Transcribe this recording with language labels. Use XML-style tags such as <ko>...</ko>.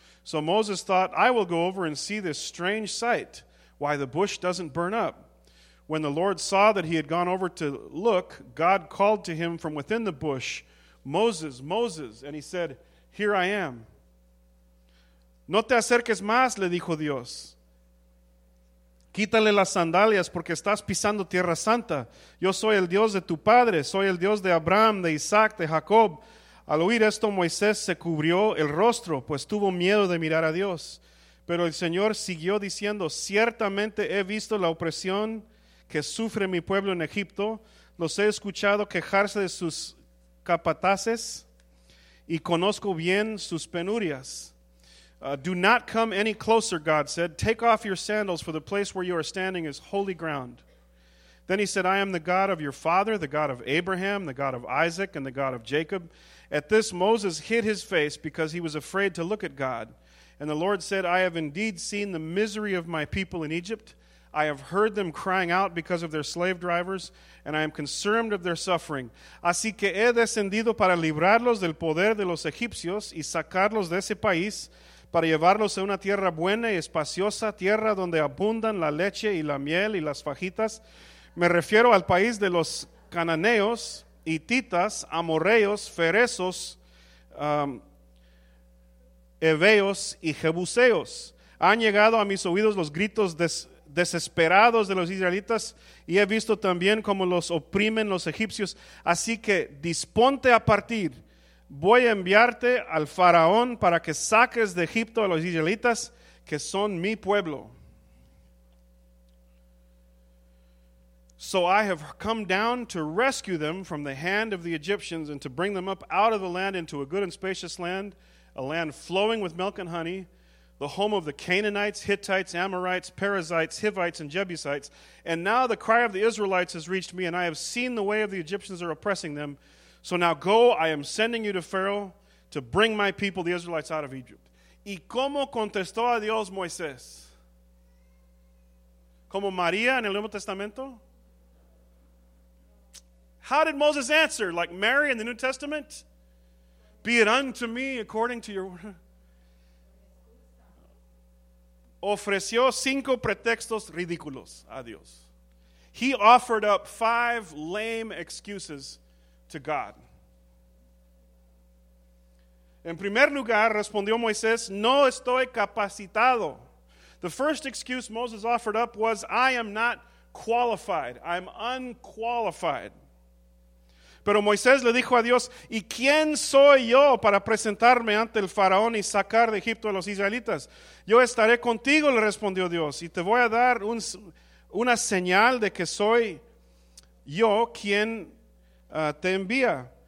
<en>So Moses thought, I will go over and see this strange sight, why the bush doesn't burn up. When the Lord saw that he had gone over to look, God called to him from within the bush, Moses, Moses, and he said, Here I am.</en> <es>No te acerques más, le dijo Dios. Quítale las sandalias porque estás pisando tierra santa. Yo soy el Dios de tu padre, soy el Dios de Abraham, de Isaac, de Jacob. Al oír esto, Moisés se cubrió el rostro, pues tuvo miedo de mirar a Dios. Pero el Señor siguió diciendo, Ciertamente he visto la opresión que sufre mi pueblo en Egipto. Los he escuchado quejarse de sus capataces y conozco bien sus penurias.</es> <en>Do not come any closer, God said. Take off your sandals, for the place where you are standing is holy ground. Then he said, I am the God of your father, the God of Abraham, the God of Isaac, and the God of Jacob. At this, Moses hid his face because he was afraid to look at God. And the Lord said, I have indeed seen the misery of my people in Egypt. I have heard them crying out because of their slave drivers, and I am concerned of their suffering.</en> <es>Así que he descendido para librarlos del poder de los egipcios y sacarlos de ese país, para llevarlos a una tierra buena y espaciosa, tierra donde abundan la leche y la miel y las fajitas. Me refiero al país de los cananeos, hititas, amorreos, fereos, heveos y jebuseos. Han llegado a mis oídos los gritos desesperados de los israelitas y he visto también cómo los oprimen los egipcios. Así que disponte a partir. Voy a enviarte al faraón para que saques de Egipto a los israelitas que son mi pueblo.</es> <en>So I have come down to rescue them from the hand of the Egyptians and to bring them up out of the land into a good and spacious land, a land flowing with milk and honey, the home of the Canaanites, Hittites, Amorites, Perizzites, Hivites, and Jebusites. And now the cry of the Israelites has reached me, and I have seen the way of the Egyptians are oppressing them. So now go, I am sending you to Pharaoh to bring my people, the Israelites, out of Egypt.</en> <es>¿Y cómo contestó a Dios Moisés? ¿Como María en el Nuevo Testamento?</es> <en>How did Moses answer? Like Mary in the New Testament? Be it unto me according to your word.</en> <es>Ofreció cinco pretextos ridículos a Dios.</es> <en>He offered up five lame excuses to God.</en> <es>En primer lugar, respondió Moisés, no estoy capacitado.</es> <en>The first excuse Moses offered up was, I am not qualified. I'm unqualified.</en> <es>Pero Moisés le dijo a Dios, ¿y quién soy yo para presentarme ante el faraón y sacar de Egipto a los israelitas? Yo estaré contigo, le respondió Dios, y te voy a dar una señal de que soy yo quien te envía.</es>